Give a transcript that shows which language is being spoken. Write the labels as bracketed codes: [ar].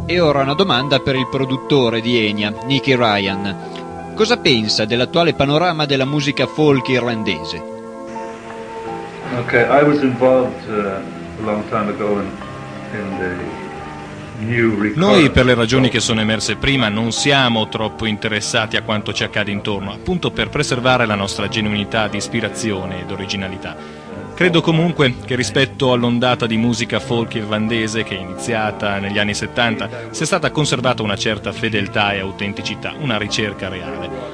[it] Ora una domanda per il produttore di Enya, Nicky Ryan. Cosa pensa dell'attuale panorama della musica folk irlandese? [en] Okay, I was involved a long time ago in the new record. [it] Noi, per le ragioni che sono emerse prima, non siamo troppo interessati a quanto ci accade intorno, appunto per preservare la nostra genuinità di ispirazione ed originalità. Credo comunque che rispetto all'ondata di musica folk irlandese che è iniziata negli anni 70 sia stata conservata una certa fedeltà e autenticità, una ricerca reale.